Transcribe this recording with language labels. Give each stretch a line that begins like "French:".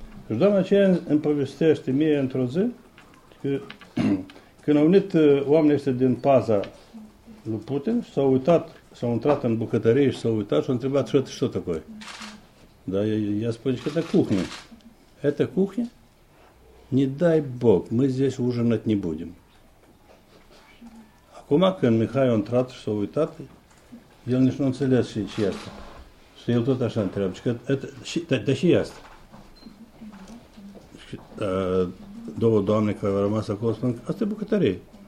Romanian: Și doamna aceea îmi povestește mie într-o zi, că când au venit oamenii ăștia din paza lui Putin, s-au uitat, s-au intrat în bucătărie și s-au uitat și au întrebat ce tot acolo. Dar ea spune, că
Russian: Это кухня? Не дай Бог, мы здесь ужинать не будем.
Romanian: Acum, când Mihai a intrat și s-a uitat, el nici nu înțeles și ce este. Și el tot așa întreabă, că de ce este? Și două doamne care au rămas acolo spun, asta e bucătărie.